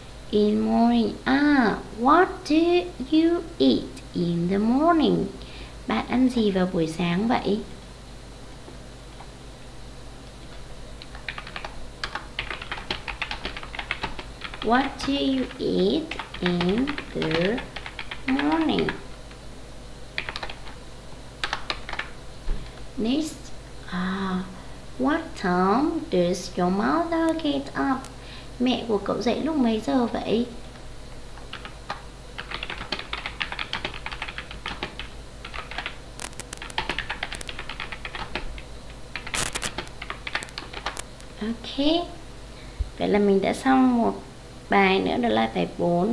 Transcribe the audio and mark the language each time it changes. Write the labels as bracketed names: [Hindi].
[English] In morning, what do you eat in the morning? [Vietnamese] Bạn ăn gì vào buổi sáng vậy? [English] What do you eat in the morning? Next, what time does your mother get up? [Vietnamese] Mẹ của cậu dậy lúc mấy giờ vậy? Okay, vậy là mình đã xong một bài nữa, đó là bài 4.